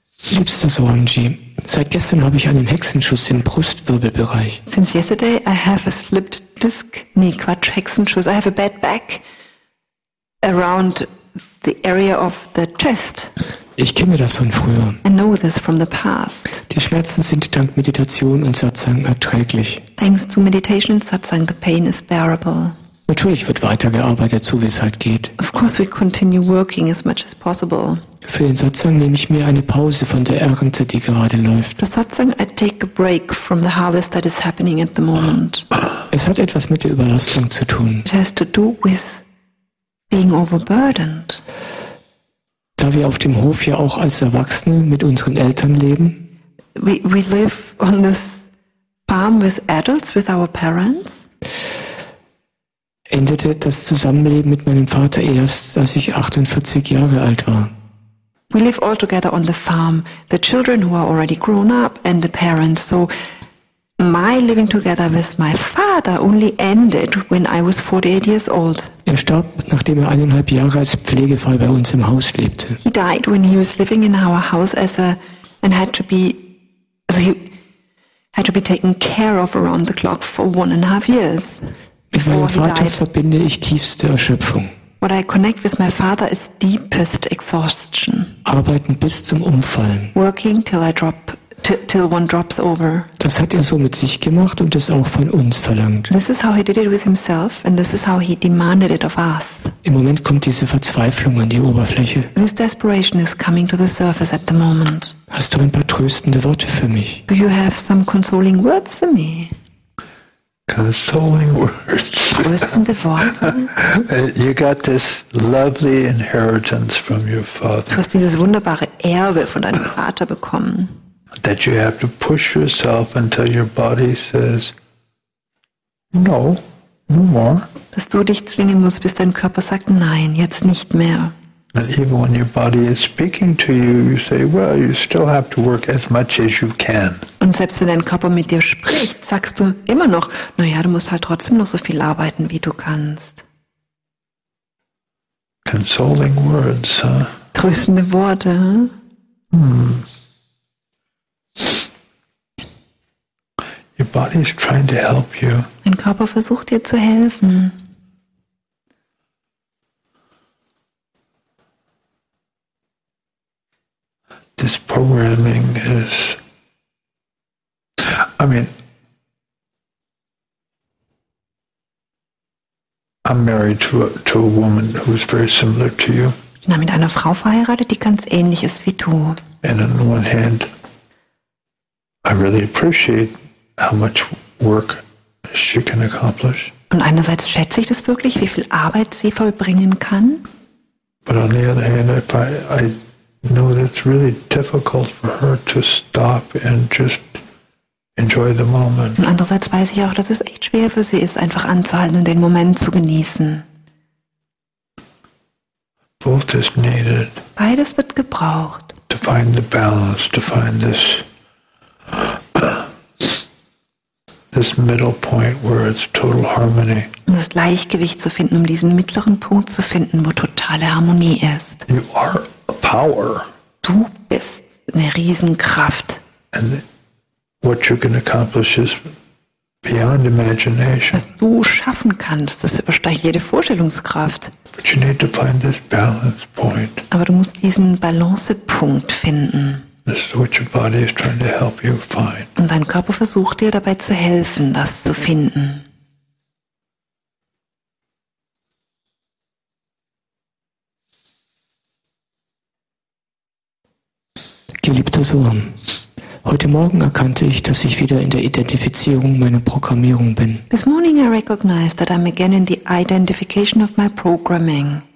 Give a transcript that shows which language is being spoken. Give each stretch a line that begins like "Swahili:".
German: Liebster Sohanji, seit gestern habe ich einen Hexenschuss im Brustwirbelbereich.
English: Since yesterday I have a slipped disc.
German: Nee, Quatsch, Hexenschuss.
English: I have a bad back around the area of the chest.
German: Ich kenne das von früher.
English: I know this from the past.
German: Die Schmerzen sind dank Meditation und Satsang erträglich.
English: Thanks to meditation and satsang, the pain is bearable.
German: Natürlich wird weitergearbeitet, so wie es halt geht.
English: Of course we continue working as much as possible.
German: Für den Satsang nehme ich mir eine Pause von der Ernte, die gerade läuft.
English: For satsang, I take a break from the harvest that is happening at the moment.
German: Es hat etwas mit der Überlastung zu tun.
English: It has to do with being overburdened.
German: Da wir auf dem Hof ja auch als Erwachsene mit unseren Eltern leben.
English: We live on this farm with adults, with our parents.
German: Endete das Zusammenleben mit meinem Vater erst, als ich 48 Jahre alt war.
English: We live all together on the farm, the children who are already grown up and the parents. So my living together with my father only ended when I was 48 years old.
German: Er starb, nachdem er 1,5 Jahre als Pflegefall bei uns im Haus lebte.
English: He died when he was living in our house as a and had to be so he had to be taken care of around the clock for 1.5 years.
German: Mit meinem Vater verbinde ich tiefste Erschöpfung.
English: What I connect with my father is deepest exhaustion.
German: Arbeiten bis zum Umfallen.
English: Working till I drop, till one drops over.
German: Das hat er so mit sich gemacht und es auch von uns verlangt.
English: This is how he did it with himself and this is how he demanded it of us.
German: Im Moment kommt diese Verzweiflung an die Oberfläche.
English: This desperation is coming to the surface at the moment.
German: Hast du ein paar tröstende Worte für mich?
English: Do you have some consoling words for me? Consoling words.
German: Tröstende Worte.
English: You got this lovely inheritance from your father.
German: Du hast dieses wunderbare Erbe von deinem Vater bekommen.
English: That you have to push yourself until your body says no, no more.
German: Dass du dich zwingen musst, bis dein Körper sagt nein, jetzt nicht mehr.
English: And even when your body is speaking to you, you say, well, you still have to work as much as you can.
German: Und selbst wenn dein Körper mit dir spricht, sagst du immer noch, naja, du musst halt trotzdem noch so viel arbeiten, wie du kannst.
English: Consoling words, huh?
German: Tröstende Worte, huh? Hmm.
English: Your body is trying to help you.
German: Dein Körper versucht dir zu helfen.
English: This programming is, I mean, I'm married to a woman who is very similar to you.
German: Ich bin mit einer Frau verheiratet, die ganz ähnlich ist wie du.
English: And on one hand, I really appreciate how much work she can accomplish.
German: Und einerseits schätze ich das wirklich, wie viel Arbeit sie vollbringen kann.
English: But on the other hand, if I know that it's really difficult for her to stop and just enjoy the moment.
German: Und andererseits weiß ich auch, dass es echt schwer für sie ist, einfach anzuhalten und den Moment zu genießen.
English: Both is needed.
German: Beides wird gebraucht.
English: To find the balance, to find this middle point where it's total harmony.
German: Um das Gleichgewicht zu finden, um diesen mittleren Punkt zu finden, wo totale Harmonie ist.
English: You are a power.
German: Du bist eine Riesenkraft.
English: And what you can accomplish is beyond imagination.
German: Was du schaffen kannst, das übersteigt jede Vorstellungskraft.
English: But you need to find this balance point.
German: Aber du musst diesen Balancepunkt finden.
English: This is what your body is trying to help you find.
German: Und dein Körper versucht dir dabei zu helfen, das zu finden. Geliebter Sohn, heute Morgen erkannte ich, dass ich wieder in der Identifizierung meiner Programmierung bin.
English: This morning I recognized that I'm again in the identification of my programming.